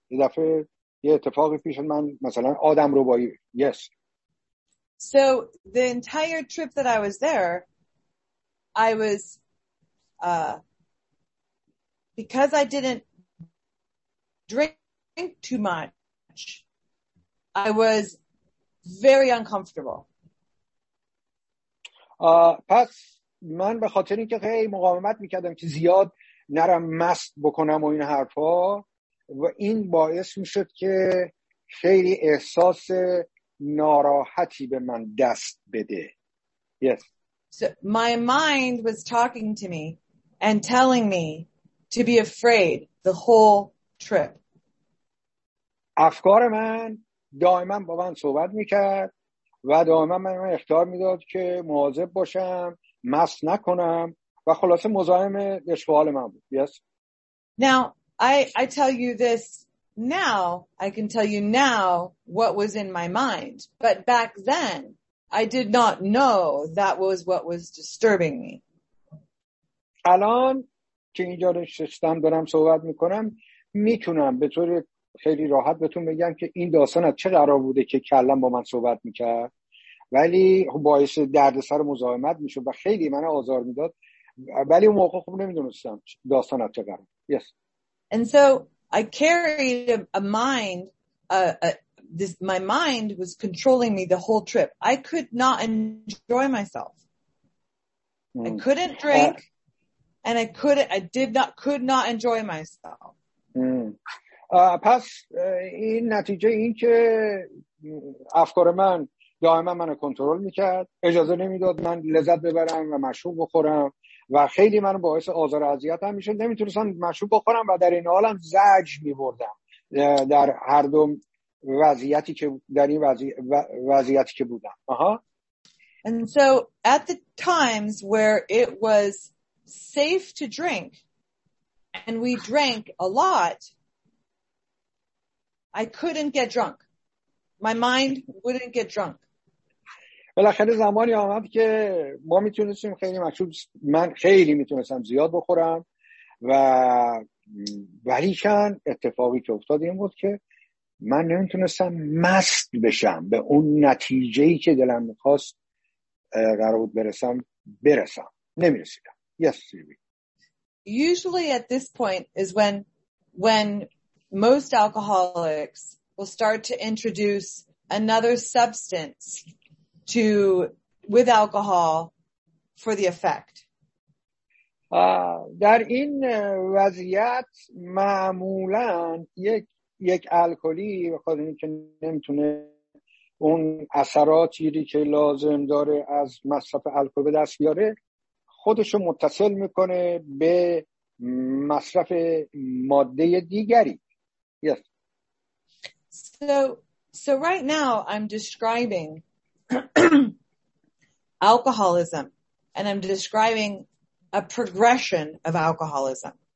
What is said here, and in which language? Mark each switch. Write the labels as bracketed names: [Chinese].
[Persian] یه دفعه یه اتفاقی پیش اومد، من مثلا آدم ربایی. [English] Yes. So the entire trip that I was there, I was because I didn't drink too much, I was very uncomfortable. [Persian] پس من به خاطر اینکه خیلی مقاومت میکردم که زیاد نرم مست بکنم و این حرفا، و این باعث میشد که خیلی احساس ناراحتی به من دست بده. [English] Yes. So my mind was talking to me and telling me to be afraid the whole trip. [Persian] افکار من دائما با من صحبت میکرد و دائما من اختیار میداد که مواظب باشم، مست نکنم و خلاصه مزاحم اشغال من بود. [English] Yes. Now, I tell you this now, I can tell you now what was in my mind. But back then, I did not know that was what was disturbing me. [Persian] الان که اینجا نشستم دارم صحبت میکنم، میتونم به طور خیلی راحت بهتون بگم که این داستان از چه قرار بوده که کلم با من صحبت میکرد، ولی باعث دردسر و مزاحمت میشد و خیلی من آزار میداد، ولی اون موقع خوب نمیدونستم داستان از چه قرار. [English] Yes. And so I carried a mind, this my mind was controlling me the whole trip. I could not enjoy myself. I couldn't drink and I could not enjoy myself. [Persian] پس این نتیجه این که افکار من دائما منو کنترل میکرد، اجازه نمیداد من لذت ببرم و مشروب بخورم و خیلی منو باعث آزار و اذیت هم میشد، نمیتونستم مشروب بخورم و در این حال هم زجر میبردم در هر دو وضعیتی که در این وضعیتی که بودم. [English] And so at the times where it was safe to drink and we drank a lot, I couldn't get drunk. My mind wouldn't get drunk. [Persian] بالاخره زمانی آمد که ما میتونستیم خیلی مشروب، من خیلی میتونستم زیاد بخورم و ولیکن اتفاقی که افتاد این بود که من نمیتونستم مست بشم به اون نتیجه‌ای که دلم میخواست قرار بود برسم نمیرسیدم. [English] Yes. Usually at this point is when most alcoholics will start to introduce another substance to with alcohol for the effect. [Persian] در این وضعیت معمولا یک الکلی خودی که نمیتونه اون اثراتی که لازم داره از مصرف الکل به دست بیاره خودشو متصل میکنه به مصرف ماده دیگری. [English] Yes. So right now I'm describing alcoholism and I'm describing a progression of alcoholism.